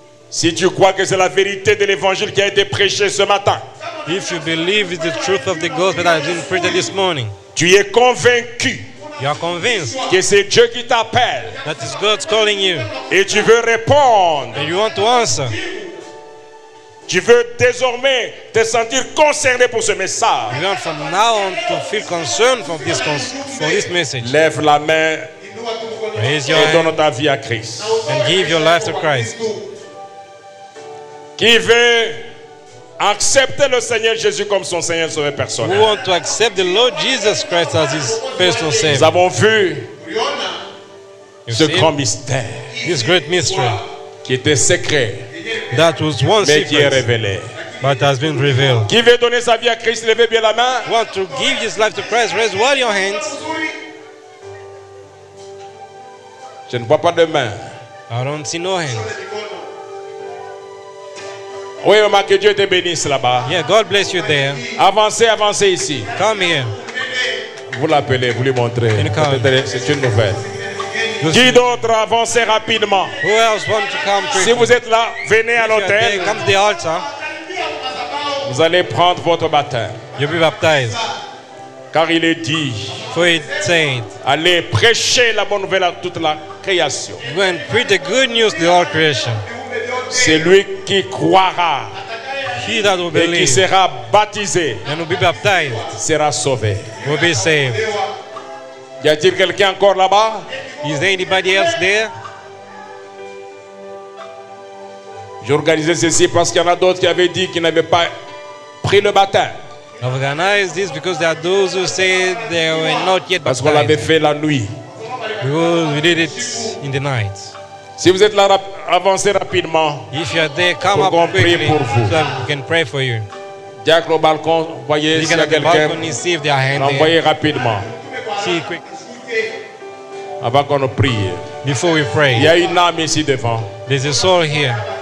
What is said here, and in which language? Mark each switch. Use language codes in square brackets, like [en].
[fr] Si tu crois que c'est la vérité de l'évangile qui a été prêchée ce matin. [en] If you believe it's the truth of the gospel that has been preached this morning. [fr] Tu es convaincu. [en] You are convinced [fr] que c'est Dieu qui t'appelle. [en] That is God calling you. [fr] Et tu veux répondre. [en] And you want to answer. [fr] Tu veux désormais te sentir concerné pour ce message. [en] You want from now on to feel concerned for this message. [fr] Lève la main. [en] Raise your [fr] et donne ta vie à Christ. [en] And give your life to Christ. [fr] Qui veut accepter le Seigneur Jésus comme son Seigneur sauveur personnel. [en] Who want to accept the Lord Jesus Christ as his personal savior. [fr] Nous avons vu ce grand mystère. [en] This great mystery. [fr] Qui était secret. [en] That was one [fr] mais [en] secret, [fr] qui est révélé. [en] But has been revealed. [fr] Qui veut donner sa vie à Christ, levez bien la main. [en] Want to give his life to Christ, raise well your hands. [fr] Je ne vois pas de main. [en] I don't see no hands. [fr] Oui, maman, que Dieu te bénisse là-bas. [en] Yeah, God bless you there. [fr] Avancez, avancez ici. [en] Come here. [fr] Vous l'appelez, vous lui montrez. C'est une nouvelle. Qui d'autre avance rapidement? [en] Who else want to come quickly? [fr] Si vous êtes là, venez [en] if [fr] à l'autel. [en] Come to the altar. [fr] Vous allez prendre votre baptême. [en] You'll be baptized. [fr] Car il est dit. [en] For it said. [fr] Allez prêcher la bonne nouvelle à toute la création. [en] Go and preach the good news to all creation. [fr] Celui qui croira. [en] He that will believe. [fr] Et qui sera baptisé. [en] And will be baptized. [fr] Sera sauvé. [en] Will be saved. [fr] Y a-t-il quelqu'un encore là-bas? [en] Is there anybody else there? [fr] J'ai organisé ceci parce qu'il y en a d'autres qui avaient dit qu'ils n'avaient pas pris le baptême. [en] I've organized this because there are those who said they were not yet baptized. [fr] Parce qu'on l'avait fait la nuit. [en] Because we did it in the night. [fr] Si vous êtes là, avancez rapidement. [en] If you are there, come up quickly. [fr] Pour vous. [en] So that we can pray for you. [fr] Diacre au balcon, voyez s'il y a quelqu'un. [en] See if they are handy. [fr] Envoyez rapidement. [en] See quick. [fr] Avant qu'on prie. [en] Before we pray. [fr] Il y a une âme ici devant. [en] There's a soul here.